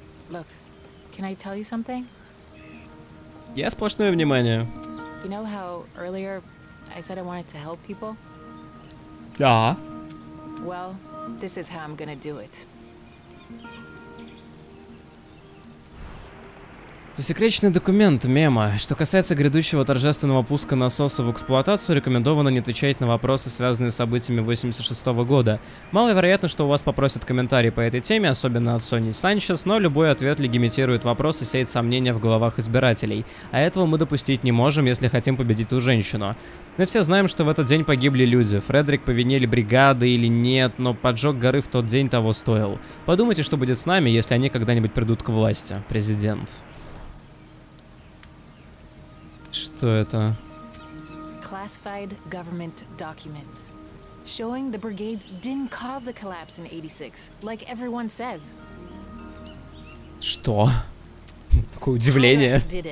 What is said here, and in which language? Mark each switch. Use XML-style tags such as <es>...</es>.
<en>Look, can I tell you something?</en> <ru>Я сплошное внимание.</ru> <en>You know how earlier I said I wanted to help people?</en> <ru>Да.</ru> <en>Well, this is how I'm gonna do it.</en> <ru>Засекреченный документ, мема. Что касается грядущего торжественного пуска насоса в эксплуатацию, рекомендовано не отвечать на вопросы, связанные с событиями 86-го года. Маловероятно, что у вас попросят комментарий по этой теме, особенно от Сони Санчес, но любой ответ легитимирует вопрос и сеет сомнения в головах избирателей. А этого мы допустить не можем, если хотим победить ту женщину. Мы все знаем, что в этот день погибли люди. Фредерик по вине ли бригады или нет, но поджог горы в тот день того стоил. Подумайте, что будет с нами, если они когда-нибудь придут к власти, президент. Что это?</ru> <en>Classified government documents showing the brigades didn't cause the collapse in 86, like everyone says.</en> <ru>Что? Такое удивление.</ru>